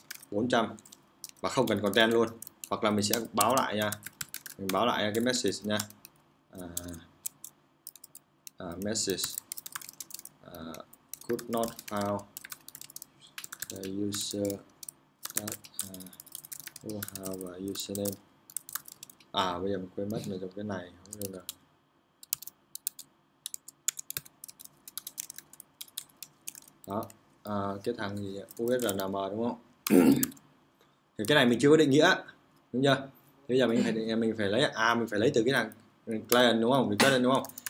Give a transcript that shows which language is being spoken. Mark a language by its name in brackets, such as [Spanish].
[Vietnamese] 400 và không cần content luôn. Hoặc là mình sẽ báo lại nha, mình báo lại cái message nha. [English] Message could not found the user that who have a username. [Vietnamese] À bây giờ mình quên mất mình dùng cái này, không nên là đó. Cái thằng gì URNM đúng không? Thì cái này mình chưa có định nghĩa, đúng chưa? Thì bây giờ mình phải lấy mình phải lấy từ cái thằng client đúng không? Request đúng không?